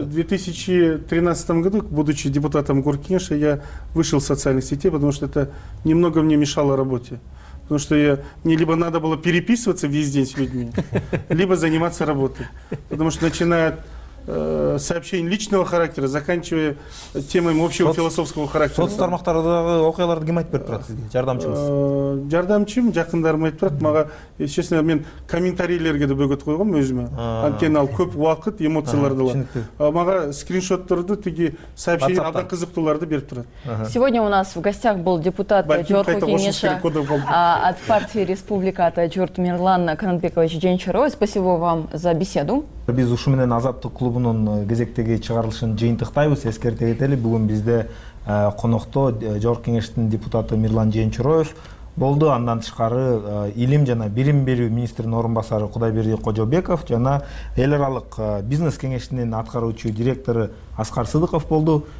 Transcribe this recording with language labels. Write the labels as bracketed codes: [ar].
[ru] В 2013 году, будучи депутатом Горкинеша, я вышел из социальных сетей, потому что это немного мне мешало работе. Потому что мне либо надо было переписываться весь день с людьми, либо заниматься работой. Потому что начиная от сообщений личного характера, заканчивая темой общего философского характера. [ky] Соцтармактардагы окуяларды ким айтып берет, жардамчыңыз? Жардамчым, жакындарым айтып берет. Мага, естественно, мен комментарийлерге да бөгөт койгом өзүмө. Анткени ал көп убакыт, эмоцияларды алат. Мага скриншоттарды, тиги сообщения абдан кызыктууларды берип турат. [ru] Сегодня у нас в гостях был депутат Жогорку Кеңеши от партии Республика Жорт Мирлан Канатбекович Жеңишбаев. Спасибо вам за беседу. [ky] Биз ушу менен Азаттык клубунун кезектеги чыгарылышын жыйынтыктайбыз. Эскерте кетели, бүгүн бизде конокто Жогорку Кеңештин депутаты Мирлан Жеңишбаев болду. Андан тышкары илим жана билим берүү министринин орун басары Кудайберди Кожобеков жана эл аралык бизнес кеңешинин аткаруучу директору Аскар Сыдыков болду.